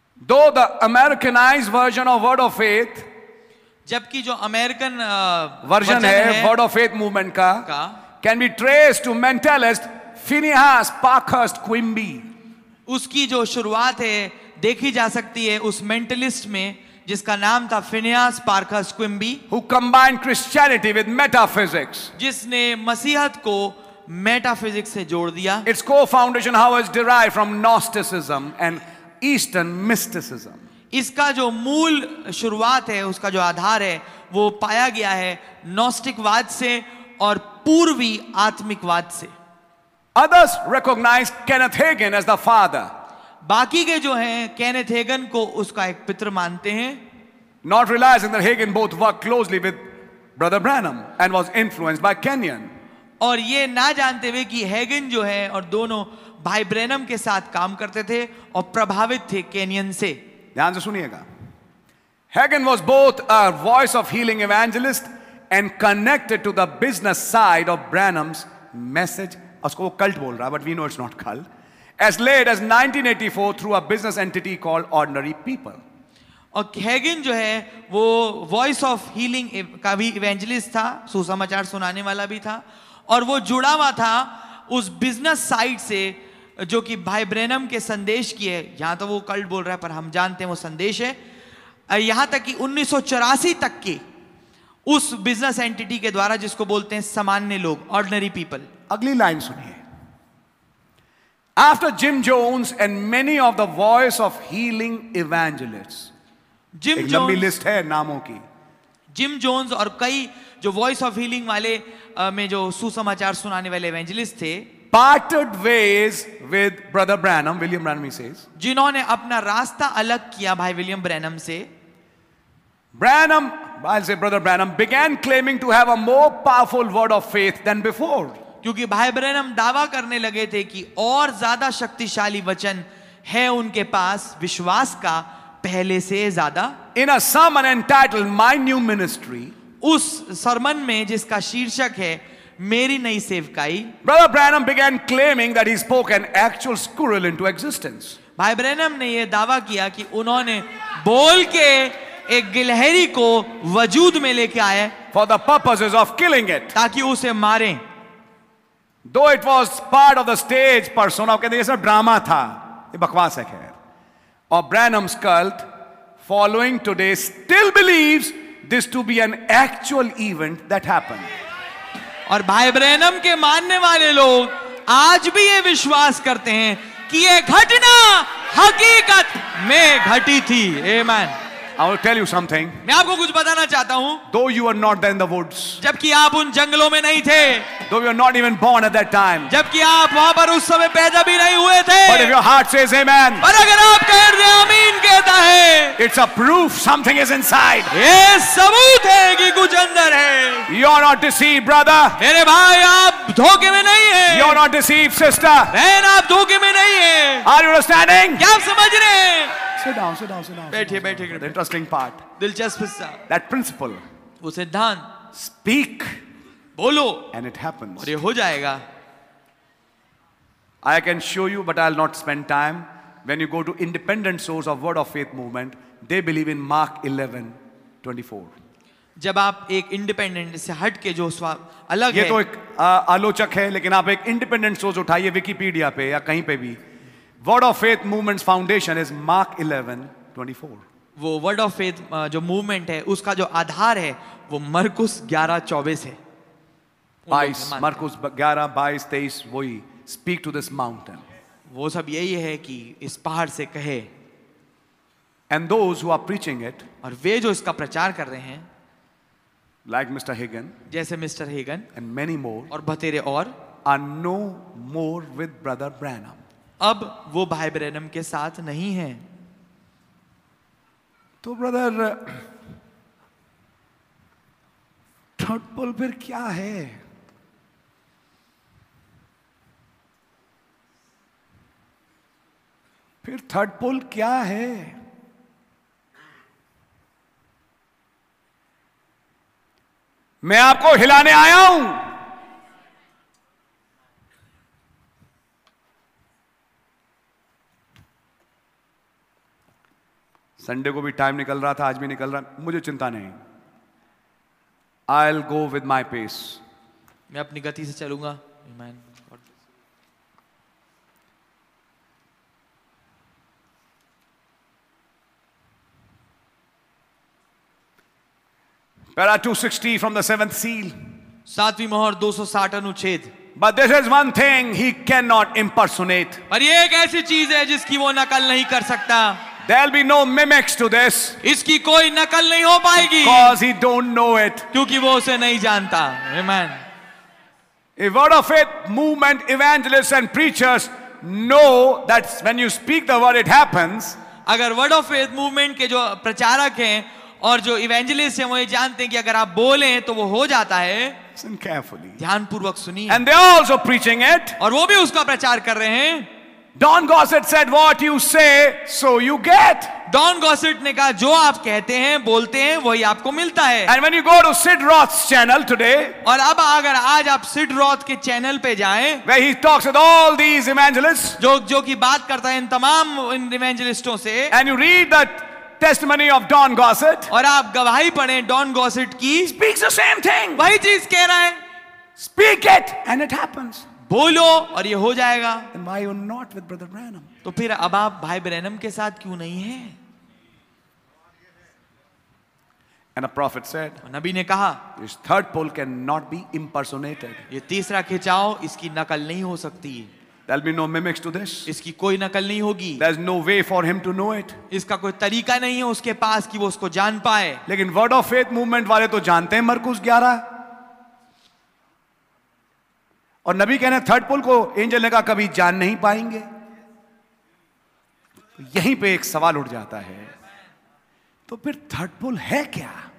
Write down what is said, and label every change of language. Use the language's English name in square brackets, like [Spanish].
[English] Though the Americanized version of Word of Faith, [Hindi] जबकि जो American version है [English] Word of Faith movement का, can be traced to mentalist Phineas Parkhurst Quimby. [Hindi] उसकी जो शुरुआत है देखी जा सकती है उस मेंटलिस्ट में जिसका नाम था फिनियास Parker's Quimby. [English] Who combined Christianity with metaphysics. [Hindi] जिसने मसीहत को मेटाफिजिक्स से जोड़ दिया. [English] Its core foundation how is derived from Gnosticism and Eastern mysticism. [Hindi] इसका जो मूल शुरुआत है, उसका जो आधार है, वो पाया गया है नॉस्टिकवाद से और पूर्वी आत्मिकवाद से. [English] Others recognize Kenneth Hagin as the father. [Hindi] बाकी के जो हैं केनेथ हेगन को उसका एक पितर मानते हैं. [English] Not realizing that Hagin both worked closely with Brother Branham and was influenced by Kenyon. [Hindi] और ये ना जानते हुए कि हेगन जो है और दोनों भाई ब्रैनम के साथ काम करते थे और प्रभावित थे केनियन से. ध्यान से सुनिएगा. [English] Hagin was both a voice of healing evangelist and connected to the business side of Branham's message. [Hindi] उसको वो कल्ट बोल रहा है, [English] But we know it's not cult. As late as 1984 through a business entity called Ordinary People. [Hindi] और केगिन जो है वो voice of healing का भी इवेंजलिस्ट था, सुसमाचार सुनाने वाला भी था और वो जुड़ा हुआ था उस बिजनेस साइड से जो कि भाई ब्रैनम के संदेश की है. यहां तो वो कल्ट बोल रहा है पर हम जानते हैं वो संदेश है. यहां तक कि 1984 तक की उस बिजनेस एंटिटी के द्वारा जिसको बोलते हैं सामान्य लोग, ऑर्डिनरी पीपल. अगली लाइन सुनिए. [English] After Jim Jones and many of the voice of healing evangelists, Jim [Hindi] एक [English] Jones, [Hindi] लंबी लिस्ट है नामों की. Jim Jones और कई जो voice of healing वाले में जो सुसमाचार सुनाने वाले evangelists थे, [English] parted ways with Brother Branham. William Branham says, [Hindi] जिन्होंने अपना रास्ता अलग किया भाई William Branham से. [English] Branham, I'll say Brother Branham, began claiming to have a more powerful word of faith than before. [Hindi] क्योंकि भाई ब्रैनम दावा करने लगे थे कि और ज्यादा शक्तिशाली वचन है उनके पास विश्वास का पहले से ज्यादा. [English] in a sermon entitled my new ministry, [Hindi] उस सर्मन में जिसका शीर्षक है मेरी नई सेवकाई, [English] Brother Branham began claiming that he spoke an actual squirrel into existence. [Hindi] भाई ब्रैनम ने यह दावा किया कि उन्होंने बोल के एक गिलहरी को वजूद में लेके आए [English] for the purposes of killing it, [Hindi] ताकि उसे मारे. [English] Though it was part of the stage persona, [Hindi] कहते हैं ये सब ड्रामा था, ये बकवास है खैर. [English] और Branham's cult, following today, still believes this to be an actual event that happened. [Hindi] और भाई ब्रैनम के मानने वाले लोग आज भी ये विश्वास करते हैं कि ये घटना हकीकत में घटी थी. [English] Amen. I will tell you something. [Hindi] मैं आपको कुछ बताना चाहता हूँ. [English] Though you were not there in the woods. [Hindi] जबकि आप उन जंगलों में नहीं थे. [English] Though you were not even born at that time. [Hindi] जबकि आप वहाँ पर उस समय पैदा भी नहीं हुए थे. [English] But if your heart says amen. [Hindi] पर अगर आप कह रहे हैं आमीन कहता है. [English] It's a proof something is inside. [Hindi] ये सबूत है कि कुछ अंदर है. [English] You are not deceived, brother. [Hindi] मेरे भाई आप धोखे में नहीं है. [English] You are not deceived, sister. [Hindi] बहन आप धोखे में नहीं है. [English] Are you understanding? [Hindi] क्या आप समझ रहे हैं? [English] Sit down. [Hindi] बैठिए बैठिए. [English] The interesting part. [Hindi] दिलचस्प हिस्सा. [English] That principle. [Hindi] वो सिद्धांत. [English] Speak. [Hindi] बोलो. [English] And it happens. [Hindi] और ये हो जाएगा. [English] I can show you, but I'll not spend time. When you go to independent source of Word of Faith movement, they believe in Mark 11:24. [Hindi] जब आप एक independent से हट के जो स्वाब अलग है, ये तो एक आलोचक है, लेकिन आप एक independent source उठाइए Wikipedia पे या कहीं पे भी. [English] Word of Faith movement's foundation is Mark 11:24. [Hindi] वो Word of Faith जो movement है, उसका जो आधार है, वो Marcus 11:24 है. [English] 22, Marcus 11:22-23, वही. Speak to this mountain. [Hindi] वो सब यही है कि इस पहाड़ से कहे. [English] And those who are preaching it, [Hindi] और वे जो इसका प्रचार कर रहे हैं, [English] like Mr. Hagen, [Hindi] जैसे mister Hagin, [English] and many more, [Hindi] और बतेरे और, [English] are no more with Brother Branham. [Hindi] अब वो भाई ब्रैनम के साथ नहीं है. तो ब्रदर ठटपल फिर क्या है? फिर थर्ड पोल क्या है? मैं आपको हिलाने आया हूं. संडे को भी टाइम निकल रहा था, आज भी निकल रहा, मुझे चिंता नहीं. [English] I will go with my pace. [Hindi] मैं अपनी गति से चलूंगा. Amen. [English] Para 260 from the seventh seal. [Hindi] सातवीं मोहर 260 अनुच्छेद. [English] But this is one thing he cannot impersonate. [Hindi] पर ये एक ऐसी चीज है जिसकी वो नकल नहीं कर सकता. [English] There'll be no mimics to this. [Hindi] इसकी कोई नकल नहीं हो पाएगी. [English] Because he don't know it. [Hindi] क्योंकि वो उसे नहीं जानता. [English] Amen. A word of faith movement evangelists and preachers know that when you speak the word, it happens. [Hindi] अगर word of faith movement के जो प्रचारक हैं और जो इवेंजलिस्ट हैं, वो ये जानते हैं कि अगर आप बोलें तो वो हो जाता है. [English] Listen carefully. [Hindi] ध्यानपूर्वक सुनिए. [English] And they are also preaching it. [Hindi] और वो भी उसका प्रचार कर रहे हैं. [English] Don Gossett said, "What you say, so you get." [Hindi] Don Gossett ने कहा, जो आप कहते हैं, बोलते हैं, वही आपको मिलता है. [English] And when you go to Sid Roth's channel today, [Hindi] और अब अगर आज आप Sid Roth के चैनल पे जाएं, [English] where he talks with all these evangelists, [Hindi] जो की बात करता है इन तमाम इवेंजलिस्टों से, [English] and you read that testimony of Don Gossett, [Hindi] और आप गवाही पढ़ें Don Gossett की, [English] speaks the same thing. [Hindi] वही चीज कह रहा है. [English] Speak it and it happens. [Hindi] बोलो और ये हो जाएगा. [English] Then why you not with Brother Branham? [Hindi] तो फिर अब आप भाई ब्रैनम के साथ क्यों नहीं है? [English] And a prophet said, [Hindi] नबी ने कहा, [English] this third pole cannot be impersonated. [Hindi] ये तीसरा खिंचाव इसकी नकल नहीं हो सकती. [English] There'll be no mimics to this. [Hindi] इसकी कोई नकल नहीं होगी. [English] There's no way for him to know it. [Hindi] इसका कोई तरीका नहीं है उसके पास कि वो उसको जान पाए. लेकिन word of faith movement वाले तो जानते हैं मरकुस 11. और नबी कहने थर्ड पुल को एंजल ने कहा कभी जान नहीं पाएंगे. यहीं पे एक सवाल उठ जाता है, तो फिर थर्ड पुल है क्या?